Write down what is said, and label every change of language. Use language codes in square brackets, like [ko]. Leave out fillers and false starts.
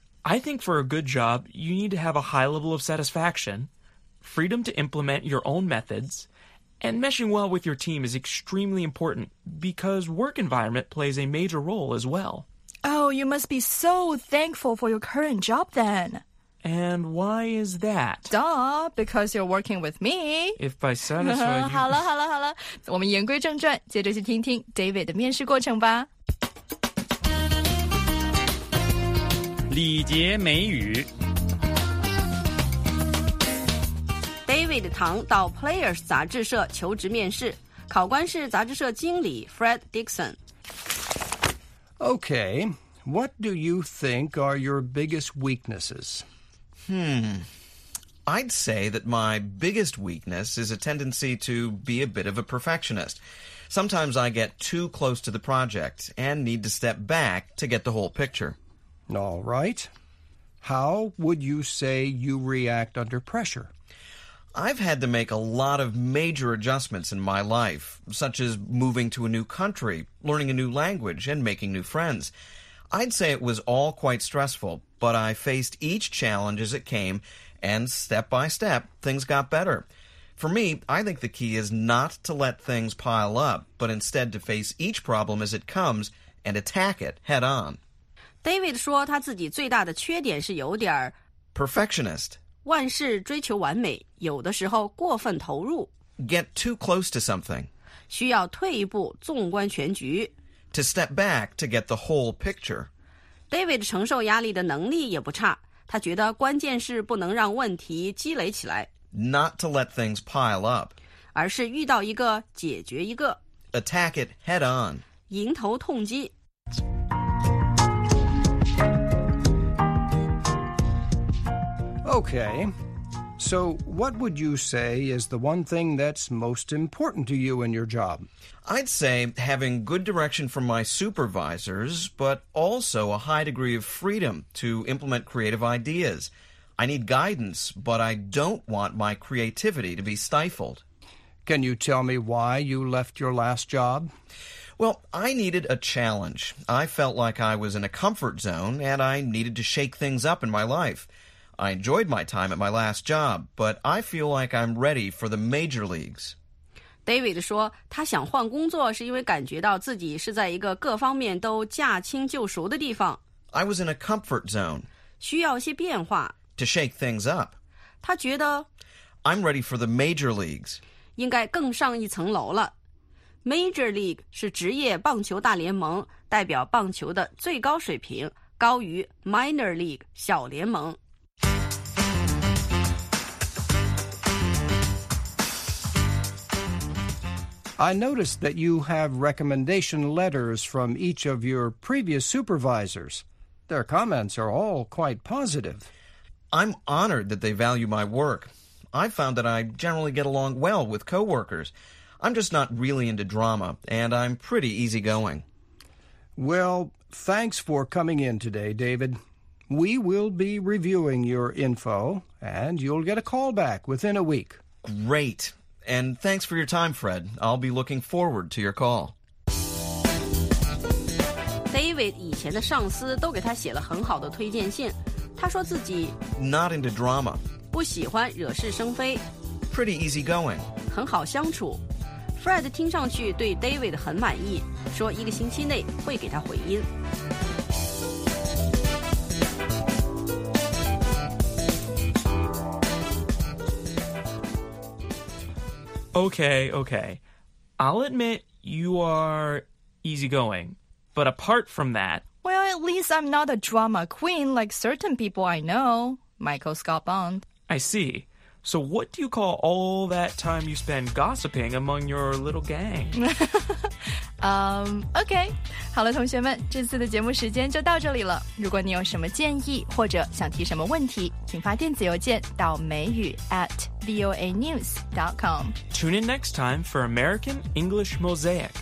[en] I think for a good job, you need to have a high level of satisfaction, freedom to implement your own methods, and meshing well with your team is extremely important because work environment plays a major role as well. Oh, you must be so thankful for your current job then. And why is that? Duh, because you're working with me. If by satisfied you... [zh] 好了好了好了，我们言归正传，接着去听听 David 的面试过程吧。礼节美语。 David 唐到 Players 杂志社求职面试，考官是杂志社经理 Fred Dixon。 [en] Okay, what do you think are your biggest weaknesses? I'd say that my biggest weakness is a tendency to be a bit of a perfectionist. Sometimes I get too close to the project and need to step back to get the whole picture. All right. How would you say you react under pressure? I've had to make a lot of major adjustments in my life, such as moving to a new country, learning a new language, and making new friends. I'd say it was all quite stressful. But I faced each challenge as it came, and step by step, things got better. For me, I think the key is not to let things pile up, but instead to face each problem as it comes and attack it head on. [zh] David 说他自己最大的缺点是有点 [en] Perfectionist. [zh] 万事追求完美，有的时候过分投入。 [en] Get too close to something. [zh] 需要退一步，纵观全局。 [en] To step back to get the whole picture. [zh] David 承受压力的能力也不差，他觉得关键是不能让问题积累起来。 [en] Not to let things pile up. [zh] 而是遇到一个解决一个。 [en] Attack it head on. [zh] 迎头痛击。 [en] Okay, so what would you say is the one thing that's most important to you in your job? I'd say having good direction from my supervisors, but also a high degree of freedom to implement creative ideas. I need guidance, but I don't want my creativity to be stifled. Can you tell me why you left your last job? Well, I needed a challenge. I felt like I was in a comfort zone, and I needed to shake things up in my life. I enjoyed my time at my last job, but I feel like I'm ready for the major leagues. [zh] David 说他想换工作是因为感觉到自己是在一个各方面都驾轻就熟的地方。 [en] I was in a comfort zone. [zh] 需要一些变化。 [en] To shake things up. [zh] 他觉得 [en] I'm ready for the major leagues. [zh] 应该更上一层楼了。 Major league 是职业棒球大联盟，代表棒球的最高水平，高于 minor league 小联盟。 [en] I noticed that you have recommendation letters from each of your previous supervisors. Their comments are all quite positive. I'm honored that they value my work. I've found that I generally get along well with coworkers. I'm just not really into drama, and I'm pretty easygoing. Well, thanks for coming in today, David. We will be reviewing your info, and you'll get a call back within a week. Great. And thanks for your time, Fred. I'll be looking forward to your call. [zh] David 以前的上司都给他写了很好的推荐信。他说自己 [en] Not into drama. [zh] 不喜欢惹是生非。 [en] Pretty easygoing. [zh] 很好相处。 Fred 听上去对 David 很满意，说一个星期内会给他回音。 [en] Okay, okay. I'll admit you are easygoing. But apart from that... Well, at least I'm not a drama queen like certain people I know. Michael Scott Bond. I see. So what do you call all that time you spend gossiping among your little gang? okay. [zh] 好了，同学们，这次的节目时间就到这里了。如果你有什么建议或者想提什么问题，请发电子邮件到美语@voanews.com. [en] Tune in next time for American English Mosaic.